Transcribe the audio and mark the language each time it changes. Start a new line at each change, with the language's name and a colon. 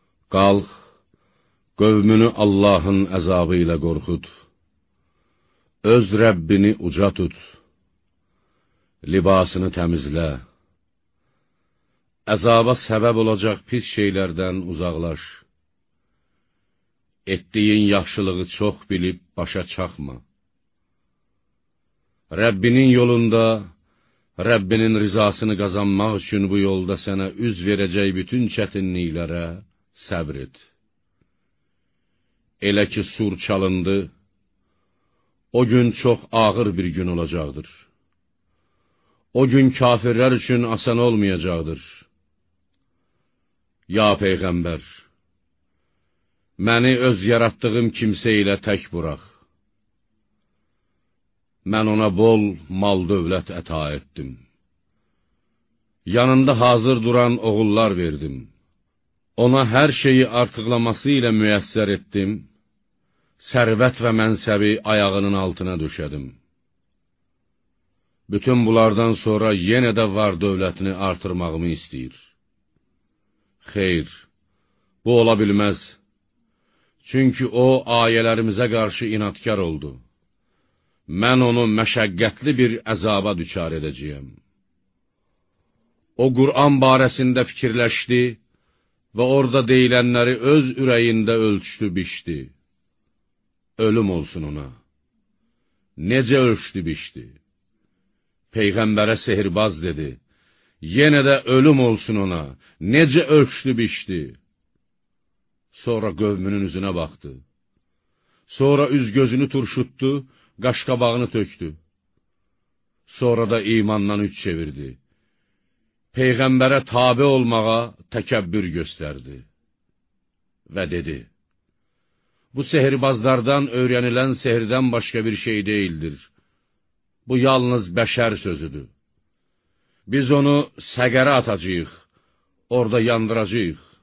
Turkish: Kalk, kavmini Allah'ın azabıyla korkut. Öz Rabbini uca tut. Libasını temizle. Azaba sebep olacak pis şeylerden uzaklaş.
Azerbaijani: etdiyin yaxşılığı çox bilib başa çaxma. Rəbbinin yolunda, Rəbbinin rizasını qazanmaq üçün bu yolda sənə üz verəcək bütün çətinliklərə səbr et. Elə ki, sur çalındı, o gün çox ağır bir gün olacaqdır. O gün kafirlər üçün asan olmayacaqdır. Ya Peyğəmbər, məni öz yaratdığım kimsə ilə tək burax. Mən ona bol mal dövlət əta etdim. Yanında hazır duran oğullar verdim. Ona hər şeyi artıqlaması ilə müyəssər etdim. Sərvət və mənsəbi ayağının altına düşədim. Bütün bunlardan sonra yenə də var dövlətini artırmağımı istəyir. Xeyr, bu ola bilməz. Çünki o, ayələrimizə qarşı inatkar oldu. Mən onu məşəqqətli bir əzaba düçar edəcəyəm. O, Qur'an barəsində fikirləşdi və orada deyilənləri öz ürəyində ölçdü, biçdi. Ölüm olsun ona. Necə ölçdü, biçdi? Peyğəmbərə sehirbaz dedi. Yenə də ölüm olsun ona. Necə ölçdü, biçdi? Sonra qövmünün üzünə baxdı. Sonra üz gözünü turşutdu, qaşqabağını tökdü. Sonra da imandan üç çevirdi. Peyğəmbərə tabi olmağa təkəbbür göstərdi. Və dedi, bu sehirbazlardan öyrənilən sehirdən başqa bir şey deyildir. Bu yalnız bəşər sözüdür. Biz onu Səqərə atacağıq, orada yandıracağıq.